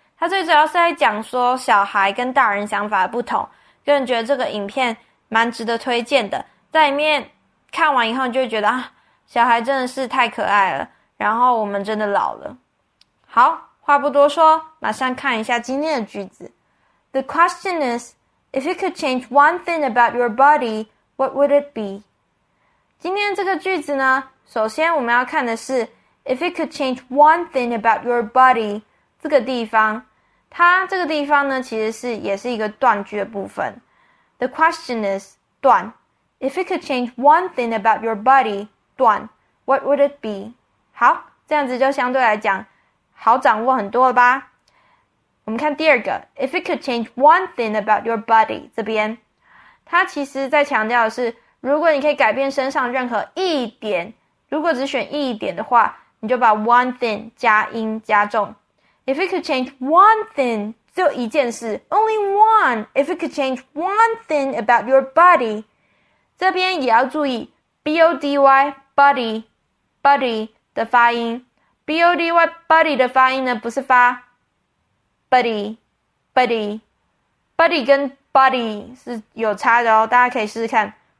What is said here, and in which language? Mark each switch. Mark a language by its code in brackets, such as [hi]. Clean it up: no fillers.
[zh] 它最主要是在讲说小孩跟大人想法不同。个人觉得这个影片蛮值得推荐的，在里面看完以后，你就会觉得啊，小孩真的是太可爱了。然后我们真的老了。好，话不多说，马上看一下今天的句子。 [en] The question is, if you could change one thing about your body, what would it be? [zh] 今天这个句子呢，首先我们要看的是 [en] if you could change one thing about your body [zh] 这个地方，它这个地方呢，其实是也是一个断句的部分。 [en] The question is 断，if you could change one thing about your body 断，what would it be？ [zh] 好，这样子就相对来讲好掌握很多了吧？我们看第二个， [en] if you could change one thing about your body [zh] 这边，它其实在强调的是。如果你可以改变身上任何一点，如果只选一点的话，你就把 one thing 加音加重。 [en] If you could change one thing， [zh] 只有一件事， [en] only one。 If you could change one thing about your body， [zh] 这边也要注意 [en] body，body [zh] 的发音。 body 的发音呢，不是发 buddy，buddy，buddy 跟 body 是有差的哦，大家可以试试看。